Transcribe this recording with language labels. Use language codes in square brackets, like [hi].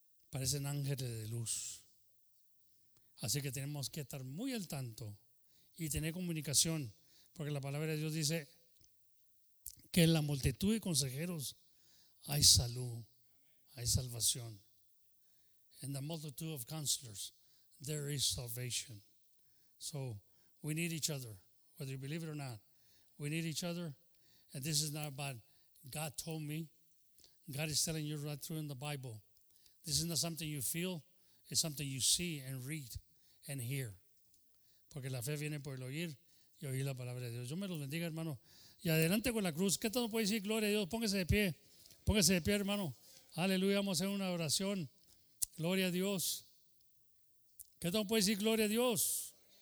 [es] Parecen ángeles de luz. Así que tenemos que estar muy al tanto y tener comunicación, porque la palabra de Dios dice que en la multitud de consejeros hay salud, hay salvación. [en] In the multitude of counselors, there is salvation. So we need each other, whether you believe it or not. We need each other. And this is not about God told me. God is telling you right through in the Bible. This is not something you feel. It's something you see and read and hear. [es] Porque la fe viene por el oír y oír la palabra de Dios. Yo me los bendiga, hermano. Y adelante con la cruz. ¿Qué tanto puede decir? Gloria a Dios. Póngase de pie. Póngase de pie, hermano. Aleluya. Vamos a hacer una oración. Gloria a Dios. ¿Qué tanto puede decir? Gloria a Dios.